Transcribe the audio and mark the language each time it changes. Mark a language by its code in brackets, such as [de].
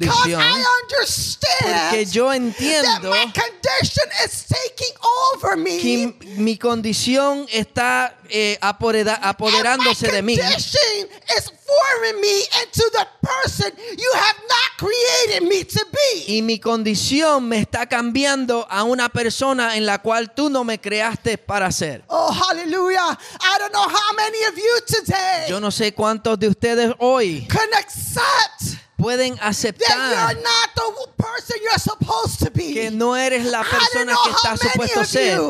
[en] Because I understand [es] porque yo entiendo [en] that my condition is taking over me. [es] Que mi condición está apoderándose de mí. [en] My condition is forming me into the person you have not created me to be. [es] Y mi condición me está cambiando a una persona en la cual tú no me creaste para ser. [en] Oh, hallelujah. I don't know how many of you today. [es] Yo no sé cuántos de ustedes hoy [en] can accept. [es] Pueden aceptar [en] that you're not the person you're supposed to be. [es] Que no eres la persona que estás supuesto a ser.